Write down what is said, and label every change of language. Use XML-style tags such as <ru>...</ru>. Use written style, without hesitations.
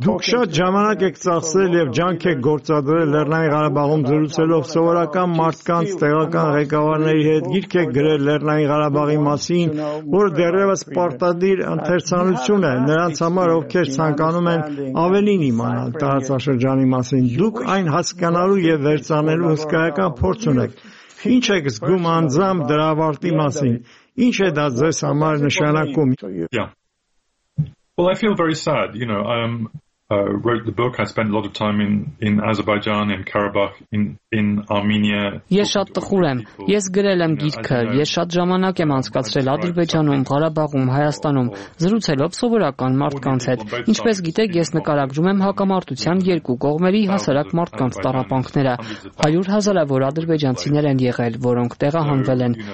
<hy>Դուք շատ ժամանակ եք ծախսել եւ ջանք եք գործադրել Լեռնային Ղարաբաղում զրուցելով սովորական մարդկանց, տեղական ղեկավարների հետ, գիրք եք գրել Լեռնային Ղարաբաղի մասին, որ դեռևս պարտադիր ընթերցանություն է նրանց համար, ովքեր ցանկանում են ավելին իմանալ տարածաշրջանի մասին։ Դուք այն հասկանալու եւ վերցանելու հսկայական փորձ ունեք։ Ինչ եք զգում անձամբ դրա ավարտի մասին։ Ինչ է դա ձեզ համար նշանակում։</hy> <en>Well, I feel very sad, you know, I wrote the book, I spent a lot of time in Azerbaijan, in Karabakh, in Armenia.</en> <hy>Ես շատ տխուր եմ, ես գրել եմ գիրքը, ես շատ ժամանակ եմ անցկացրել Ադրբեջանում, Ղարաբաղում, Հայաստանում, զրուցելով սովորական մարդկանց հետ։ Ինչպես գիտեք, ես նկարագրում եմ հակամարտության երկու կողմերի հասարակ մարդկանց տառապանքները։ 100 հազարավոր ադրբեջանցիներ են եղել, որոնք տեղահանվել են,</hy>